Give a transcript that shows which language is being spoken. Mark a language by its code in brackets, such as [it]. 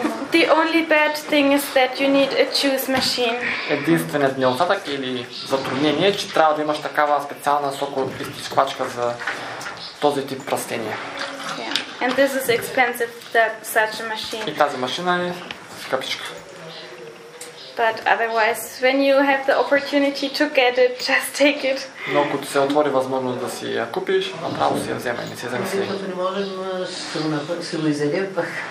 [en] The only bad thing is that you need a juice machine. [bg] Единственият недостатък или затруднение е, че трябва да имаш такава специална сокоизсвачка за този тип растения. [en] Yeah. And this is expensive, that such a machine. [bg] И тази машина е скъпичка. [en] But otherwise, when you have the opportunity to get it, just take it. [bg] Но когато се отвори възможност да си я купиш, направо си я вземе, не си замисли. Не можем струна пък, си го изядем пък.